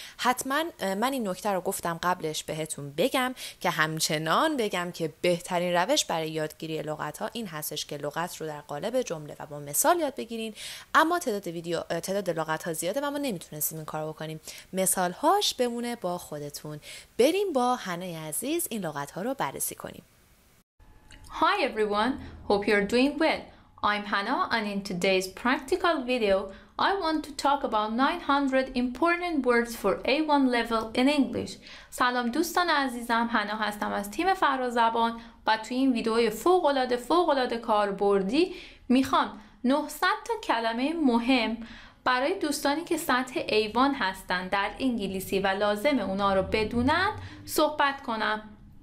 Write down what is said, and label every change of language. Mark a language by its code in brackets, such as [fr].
[fa] حتما من این نکته رو گفتم قبلش بهتون بگم که همچنان بگم که بهترین روش برای یادگیری لغت ها این هستش که لغت رو در قالب جمله و با مثال یاد بگیرین. اما تعداد لغت ها زیاده و ما نمیتونستیم این کارو بکنیم. مثال هاش بمونه با خودتون. بریم با هنای عزیز این لغت ها رو بررسی کنیم. [en] Hi everyone, hope you're doing well. I'm Hannah, and in today's practical video, I want to talk about 900 important words for A1 level in English. [fa] سلام دوستان عزیزم، هنو هستم از تیم فرازبان و توی این ویدئوی فوق‌العاده کاربردی میخوام 900 تا کلمه مهم برای دوستانی که سطح A1 هستن در انگلیسی و لازمه اونا رو بدونن صحبت کنم.